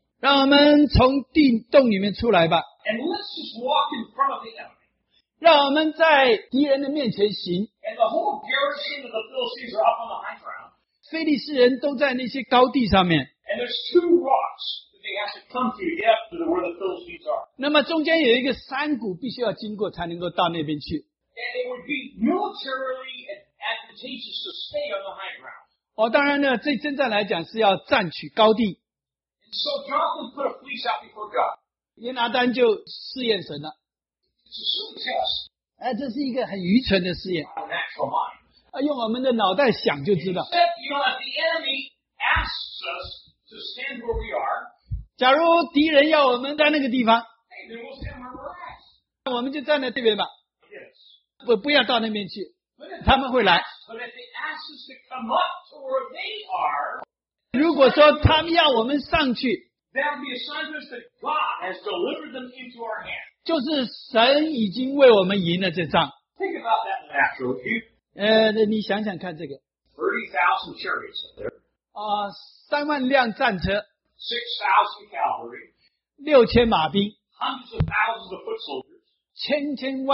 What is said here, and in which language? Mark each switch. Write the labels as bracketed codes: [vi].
[zh] 让我们从地洞里面出来吧。 [en] And let's just walk in front of the enemy. [zh] 让我们在敌人的面前行。 [en] And the whole garrison of the Philistines are up on the high ground. [zh] 菲利士人都在那些高地上面。 [en] And there's two rocks that they have to come through to get up to where the Philistines are. [zh] 那么中间有一个山谷必须要经过才能够到那边去。 [en] And it would be militarily advantageous to stay on the high ground. [zh] 当然呢，这征战来讲是要占取高地。 [en] And so Jonathan put a fleece out before God. [zh] 约拿单就试验神了。 [en] It's a silly test. [zh] 这是一个很愚蠢的试验。用我们的脑袋想就知道。 [en] Except, you know, if the enemy asks us to stand where we are, [zh] 假如敌人要我们在那个地方, [en] hey, then we'll stand where we're at. [zh] 我们就站在这边吧。 [en] Yes. [zh] 不要到那边去, 他们会来。 [en] But if they ask us to come up to where they are, [zh] 如果说他们要我们上去, [en] that would be a sign to us that God has delivered them into our hands. [zh] 就是神已经为我们赢了这仗。 [en] Think about that in natural view. [zh] 你想想看这个。 [en] 30,000 chariots up there. [zh] 3万辆战车。 [en] 6,000 cavalry. [zh] 6,000马兵。 [en] Hundreds of thousands of foot soldiers.